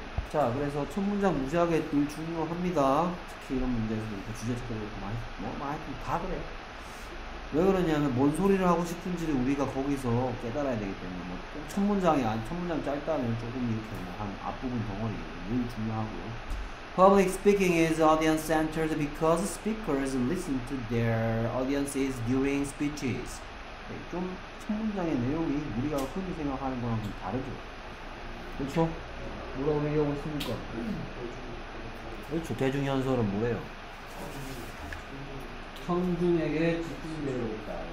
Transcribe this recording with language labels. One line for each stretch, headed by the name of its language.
Korean: 자, 그래서 첫 문장 무지하게 늘 중요합니다. 특히 이런 문제에서 이렇게 주제 찾기를 많이 뭐 많이 다 그래. 왜 그러냐면 뭔 소리를 하고 싶은지를 우리가 거기서 깨달아야 되기 때문에 뭐첫 문장이 아니 첫 문장 짧다면 조금 이렇게 한 앞부분 덩어리 늘 중요하고요.
English: Public speaking is audience centered because speakers listen to their audiences during speeches.
Korean: 네, 좀첫 문장의 내용이 우리가 흔히 생각하는 거랑 좀 다르죠. 그렇죠? 뭐라고 얘기하고 있습니까? 그렇죠. 대중연설은 뭐예요? 청중에게 집중되어 있다.